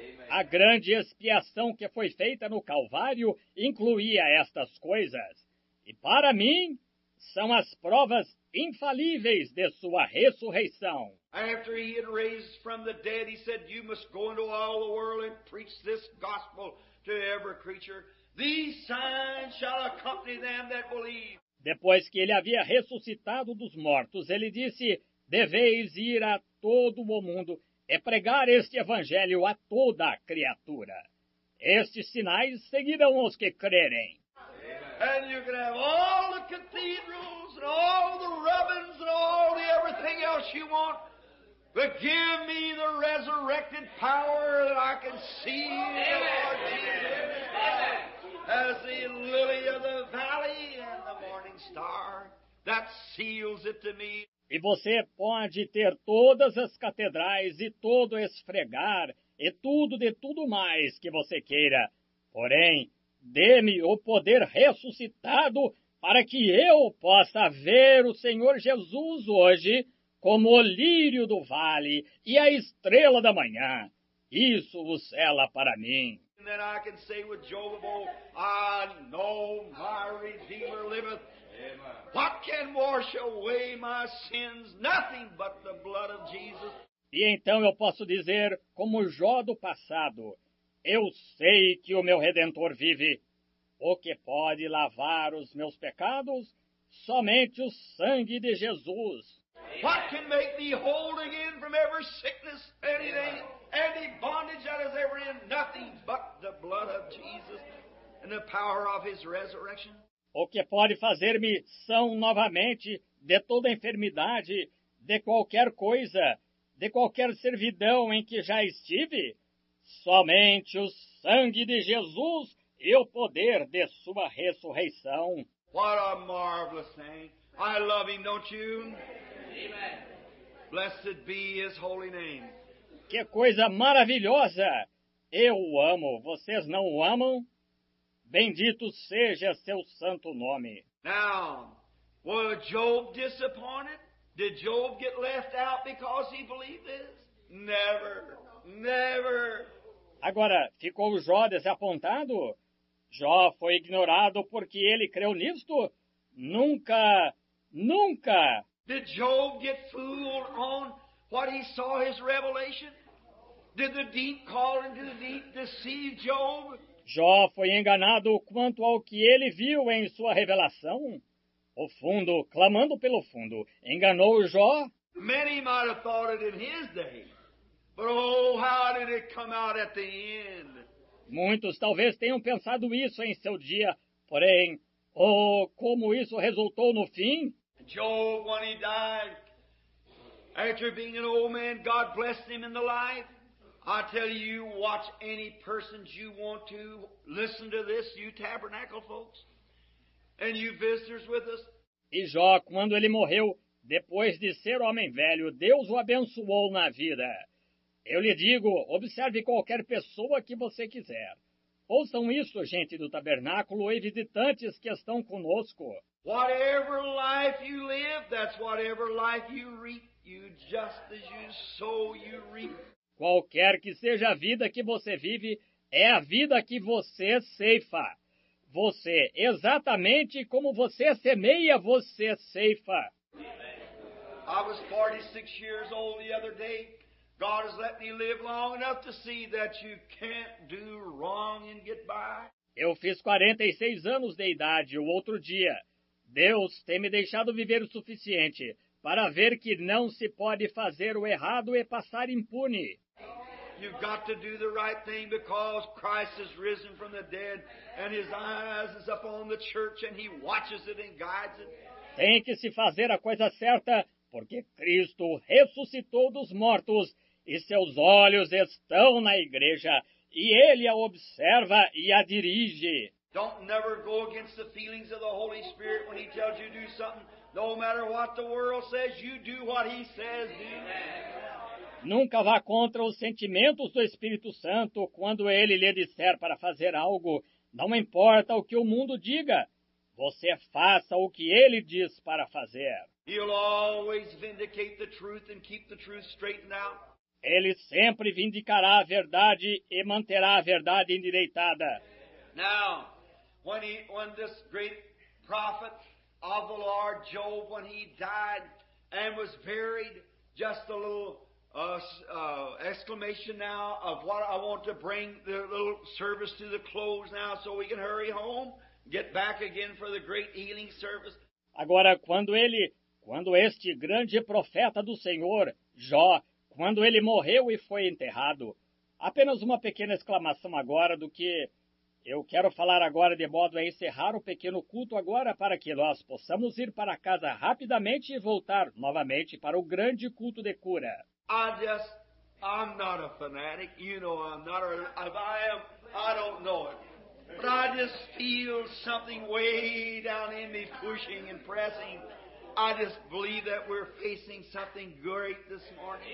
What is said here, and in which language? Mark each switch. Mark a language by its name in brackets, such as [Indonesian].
[Portuguese] A grande expiação que foi feita no Calvário incluía estas coisas. E para mim, são as provas infalíveis de sua ressurreição. [English] After he had raised from the dead, he said, you must go into all the world and preach this gospel to every creature. These signs shall accompany them that believe. [Portuguese] Depois que ele havia ressuscitado dos mortos, ele disse, deveis ir a todo o mundo e pregar este evangelho a toda a criatura. Estes sinais seguirão os que crerem. [English] And you can have all the cathedrals and all the ribbons and all the everything else you want. But give me the resurrected power that I can see in the Lord Jesus as the lily of the valley and the morning star that seals it to me. [Portuguese] E você pode ter todas as catedrais e todo esfregar e tudo de tudo mais que você queira. Porém, dê-me o poder ressuscitado para que eu possa ver o Senhor Jesus hoje como o lírio do vale e a estrela da manhã. Isso o sela para mim. [English] And then I can say with Job of old, I know my Redeemer liveth. Amen. What can wash away my sins? Nothing but the blood of Jesus. [Portuguese] E então eu posso dizer, como Jó do passado, eu sei que o meu Redentor vive. O que pode lavar os meus pecados? Somente o sangue de Jesus. [English] What can make me whole again from every sickness, anything, any bondage that is ever in? Nothing but the blood of Jesus and the power of his resurrection. [Portuguese] O que pode fazer-me são novamente de toda enfermidade, de qualquer coisa, de qualquer servidão em que já estive? Somente o sangue de Jesus e o poder de sua ressurreição. [English] What a marvelous thing. I love him, don't you? Amen. Blessed be his holy name. [Portuguese] Que coisa maravilhosa! Eu o amo. Vocês não o amam? Bendito seja seu santo nome. [English] Now, was Job disappointed? Did Job get left out because he believed this? Never. Never. [Portuguese] Agora, ficou Jó desapontado? Jó foi ignorado porque ele creu nisto? Nunca. Nunca. [English] Did Job get fooled on what he saw his revelation? Did the deep call into the deep deceive Job? [Portuguese] Jó foi enganado quanto ao que ele viu em sua revelação? O fundo, clamando pelo fundo, enganou Jó? [English] Many might have thought it in his day, but oh, how did it come out at the end? [Portuguese] Muitos talvez tenham pensado isso em seu dia, porém, oh, como isso resultou no fim? [English] Job, when he died, after being an old man, God blessed him in the life. I tell you, watch any persons you want to listen to this, you tabernacle folks, and you visitors with us. [Portuguese] E Jó, quando ele morreu, depois de ser homem velho, Deus o abençoou na vida. Eu lhe digo, observe qualquer pessoa que você quiser. Ouçam isso, gente do tabernáculo e visitantes que estão conosco. [English] Whatever life you live, that's whatever life you reap. You just as you sow, you reap. [Portuguese] Qualquer que seja a vida que você vive, é a vida que você ceifa. Você, exatamente como você semeia, você ceifa. [English] I was 46 years old the other day. God has let me live long enough to see that you can't do wrong and get by. [Portuguese] Eu fiz 46 anos de idade o outro dia. Deus tem me deixado viver o suficiente para ver que não se pode fazer o errado e passar impune. [English] You've got to do the right thing because Christ has risen from the dead and his eyes is upon the church and he watches it and guides it. [Portuguese] Tem que se fazer a coisa certa porque Cristo ressuscitou dos mortos e seus olhos estão na igreja e ele a observa e a dirige. [English] Don't never go against the feelings of the Holy Spirit when he tells you to do something. No matter what the world says, you do what he says. [Portuguese] Nunca vá contra os sentimentos do Espírito Santo quando ele lhe disser para fazer algo. Não importa o que o mundo diga, você faça o que ele diz para fazer. [English] He'll always vindicate the truth and keep the truth straightened out. [Portuguese] Ele sempre vindicará a verdade e manterá a verdade endireitada. [English] Now, when this great prophet of the Lord Job, when he died and was buried, just a little exclamation now of what I want to bring the little service to the close now so we can hurry home, get back again for the great healing service. [Portuguese] Agora, quando este grande profeta do Senhor, Jó, quando ele morreu e foi enterrado, apenas uma pequena exclamação agora do que eu quero falar agora de modo a encerrar o pequeno culto agora para que nós possamos ir para casa rapidamente e voltar novamente para o grande culto de cura. [English] I'm not a fanatic, you know I'm not a, if I am, I don't know it. But I just feel something way down in me pushing and pressing. I just believe that we're facing something great this morning.